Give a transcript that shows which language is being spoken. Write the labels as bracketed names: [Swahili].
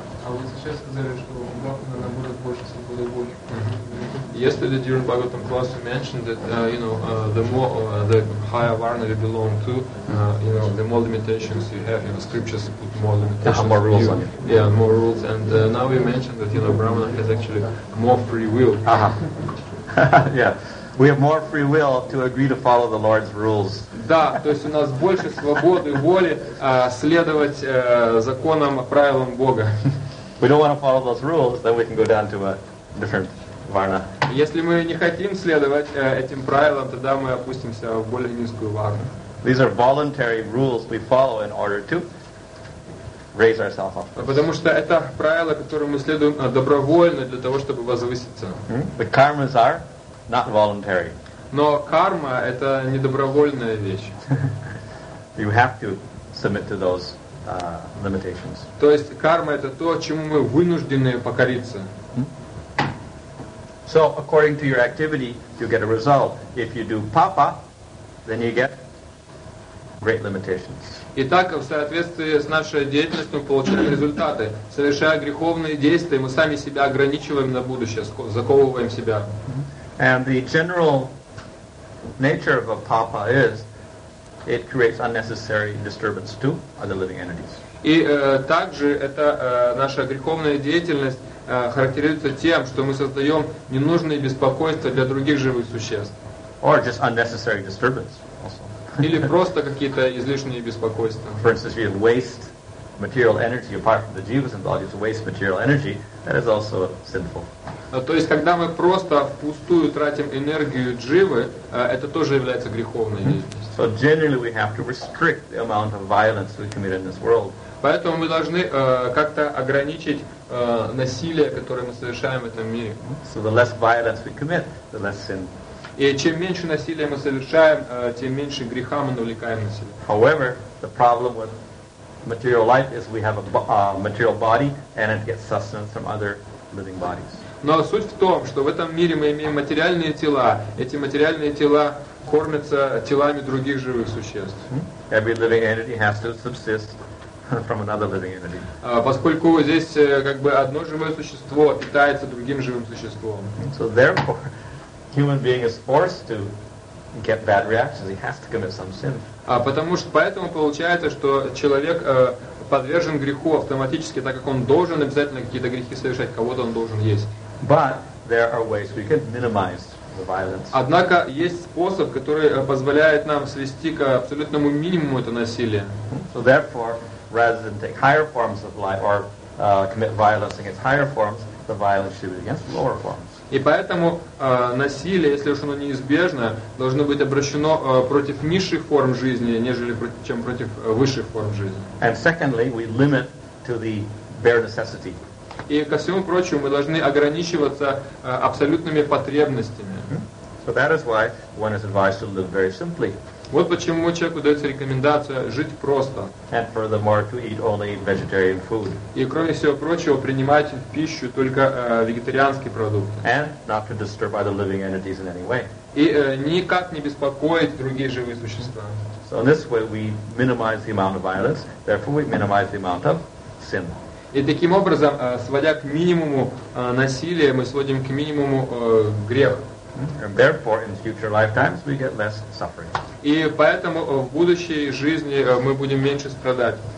[Russian] А вы сейчас сказали, что у брахмана наоборот больше свободы воли. [English] Yesterday during Bhagavatam class we mentioned that the more the higher varna you belong to, the more limitations you have. Scriptures put more limitations. Yeah, more rules. Yeah, more rules. And now we mentioned that brahmana has actually more free will. Uh-huh. Yeah, we have more free will to agree to follow the Lord's rules. [Russian] Да, то есть у нас больше свободы воли следовать законам, правилам Бога. [English] We don't want to follow those rules, then we can go down to a different. [Russian] Если мы не хотим следовать этим правилам, тогда мы опустимся в более низкую варну. [English] These are voluntary rules we follow in order to raise ourselves up. [Russian] Потому что это правила, которые мы следуем добровольно для того, чтобы возвыситься. [English] The karmas are not voluntary. [Russian] Но карма — это не добровольная вещь. [English] You have to submit to those limitations. [Russian] То есть карма — это то, чему мы вынуждены покориться. [English] So according to your activity, you get a result. If you do papa, then you get great limitations. [Russian] Итак, в соответствии с нашей деятельностью мы получаем результаты. Совершая греховные действия, мы сами себя ограничиваем на будущее, заковываем себя. [English] And the general nature of a papa is it creates unnecessary disturbance to other living entities. [Russian] И также это наша греховная деятельность характеризуется тем, что мы создаем ненужные беспокойства для других живых существ. [English] Or just unnecessary disturbance also. [Russian] Или просто какие-то излишние беспокойства. [English] For instance, if you waste material energy apart from the jivas involved, you waste material energy, that is also sinful. [Russian] То есть, когда мы просто впустую тратим энергию дживы, это тоже является греховной деятельностью. [English] So generally we have to restrict the amount of violence we commit in this world. [Russian] Поэтому мы должны как-то ограничить насилие, которое мы совершаем в этом мире. [English] So the less violence we commit, the less sin. [Russian] И чем меньше насилия мы совершаем, тем меньше греха мы навлекаем на себя. [English] However, the problem with material life is we have a material body and it gets sustenance from other living bodies. [Russian] Но суть в том, что в этом мире мы имеем материальные тела. Эти материальные тела кормятся телами других живых существ. [English] Every living entity has to subsist from another living entity. [Russian] Поскольку здесь как бы одно живое существо питается другим живым существом. [English] So therefore, human being is forced to get bad reactions. He has to commit some sin. [Russian] Поэтому получается, что человек подвержен греху автоматически, так как он должен обязательно какие-то грехи совершать, кого-то он должен есть. [English] But there are ways we can minimize the violence. [Russian] Однако есть способ, который позволяет нам свести к абсолютному минимуму это насилие. [English] So therefore, rather than take higher forms of life or commit violence against higher forms, the violence should be against lower forms. [Russian] И поэтому насилие, если уж оно неизбежно, должно быть обращено против низших форм жизни, нежели чем против высших форм жизни. [English] And secondly, we limit to the bare necessity. [Russian] И ко всему прочему, мы должны ограничиваться абсолютными потребностями. [English] So that is why one is advised to live very simply. [Russian] Вот почему человеку дается рекомендация жить просто. [English] And furthermore, to eat only vegetarian food. [Russian] И кроме всего прочего, принимать в пищу только вегетарианские продукты. [English] And not to disturb other living entities in any way. [Russian] И никак не беспокоить другие живые существа. [English] So in this way we minimize the amount of violence, therefore we minimize the amount of sin. [Russian] И таким образом, сводя к минимуму насилие, мы сводим к минимуму грех. [English] And therefore, in future lifetimes, we get less suffering. [Russian] И поэтому в будущей жизни мы будем меньше страдать.